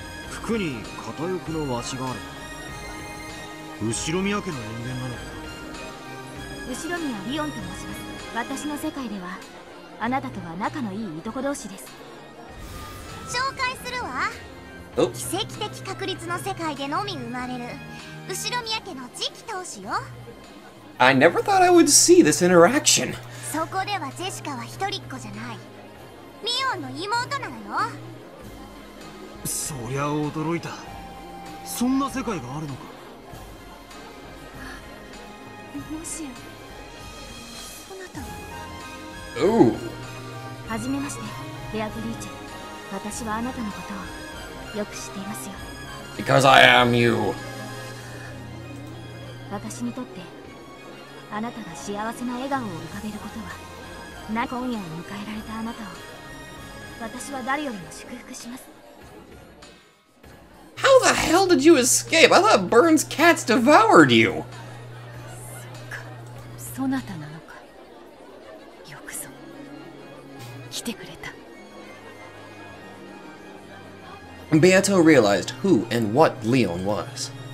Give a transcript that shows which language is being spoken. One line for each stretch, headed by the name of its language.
Japanese: 服に片翼のわしがある。後ろ宮家の人間なのか。後ろ宮リオンと申します。私の世界ではあなたとは仲のいいいとこ同士です。紹介するわ。奇跡的確率の世界でのみ生まれる後ろ宮家の次期当主よ。
English: I never thought I would see this interaction.
Japanese: そこではジェシカは一人っ子じゃない。ミオンの妹なのよ。そりゃ驚いた。そんな世界があるのか。もしや、あなたは。おお。はじめまして、ベアトリーチェ。私はあなたのことをよく知っていますよ。
English: Because I am you.
Japanese: 私にとって。あなたが幸せな笑顔を浮かべることは、今夜を迎えられたあなたを、私は誰よりも祝福します。
English: How the hell did you escape? I thought Burns' cats devoured you!
Japanese: そなたなのか。よくぞ。来てくれた。
English: Beato realized who and what Leon was.